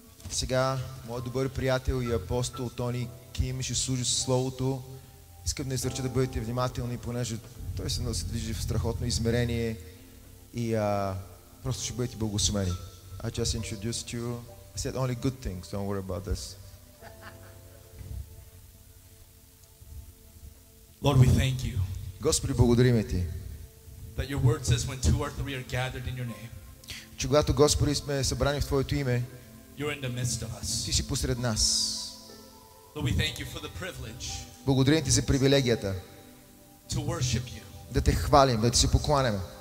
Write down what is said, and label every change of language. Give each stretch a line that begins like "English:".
Bulgarian: Сега моят добър приятел и апостол Тони Ким ще служи със словото. Искам да изръча да бъдете внимателни, понеже той се движи в страхотно измерение и просто ще бъдете благословени.
English: I just introduced you. I said only good things, don't worry about this. Lord, we thank you.
Bulgarian: Господи, благодарим ти.
English: That your word says when two or three are gathered in your name.
Bulgarian: Че когато, Господи, сме събрани в твоето име.
English: You're in the midst of us.
Bulgarian: Ти си посред нас.
English: Lord, we thank you for the privilege.
Bulgarian: Благодарим ти за привилегията.
English: To worship you.
Bulgarian: Да те хвалим, да ти се покланяме.